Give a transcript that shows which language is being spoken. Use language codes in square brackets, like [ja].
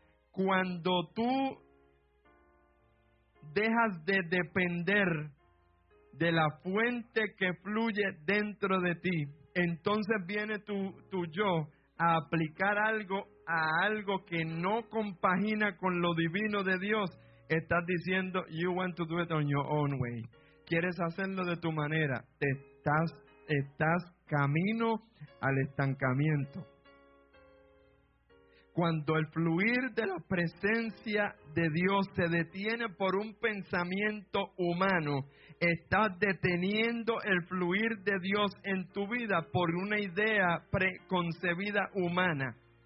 [es] Cuando tú dejas de depender de la fuente que fluye dentro de ti, entonces viene tu yo a aplicar algo a algo que no compagina con lo divino de Dios. Estás diciendo, [en] you want to do it on your own way. [es] Quieres hacerlo de tu manera. Estás camino al estancamiento. cuando el fluir de la presencia de Dios se detiene por un pensamiento humano, estás deteniendo el fluir de Dios en tu vida por una idea preconcebida humana.